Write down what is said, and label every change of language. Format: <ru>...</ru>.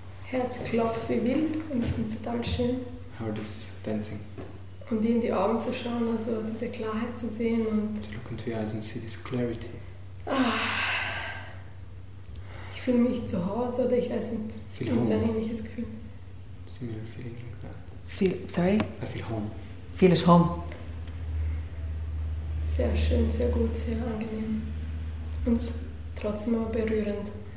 <de>Herz klopft wie wild und ich finde es total schön.</de> <en>Heart is dancing.</en> <de>Und dir in die Augen zu schauen, also diese Klarheit zu sehen und.</de> <en>To look into your eyes and see this clarity.</en> <de>Ich fühle mich zu Hause oder ich weiß nicht.</de> <en>Feel home.</en> <de>So ein ähnliches Gefühl.</de> <en>Similar feeling like that. Feel, sorry? I feel home. Feel at home.</en> <de>Sehr schön, sehr gut, sehr angenehm. Und trotzdem aber berührend.</de>